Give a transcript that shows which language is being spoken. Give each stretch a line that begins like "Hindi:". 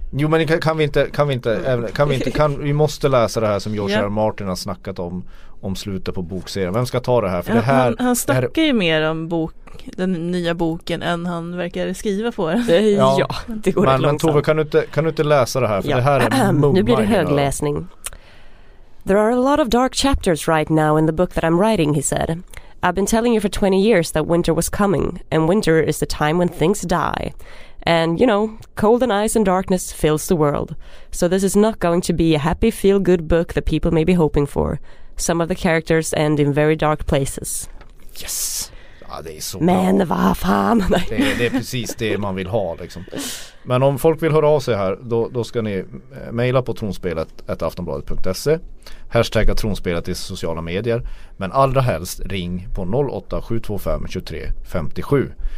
Swedish: Jo, men kan vi inte vi måste läsa det här som George R. Martin har snackat om slutet på bokserien. Vem ska ta det här? För det här han snackar det här... ju mer om den nya boken än han verkar skriva på den. Ja, det går men, långsamt. Men Tove, kan du inte läsa det här? För det här är nu blir det högläsning.
English: There are a lot of dark chapters right now in the book that I'm writing, he said. I've been telling you for 20 years that winter was coming, and winter is the time when things die. And, you know, cold and ice and darkness fills the world. So this is not going to be a happy, feel-good book that people may be hoping for. Some of the characters end in very dark places. Yes!
Swedish: Ja, det är så men vad fan! Det är precis det man vill ha. Liksom. Men om folk vill höra av sig här, då ska ni mejla på tronspelet@aftonbladet.se. Hashtagga tronspelet i sociala medier. Men allra helst ring på 08-725-2357.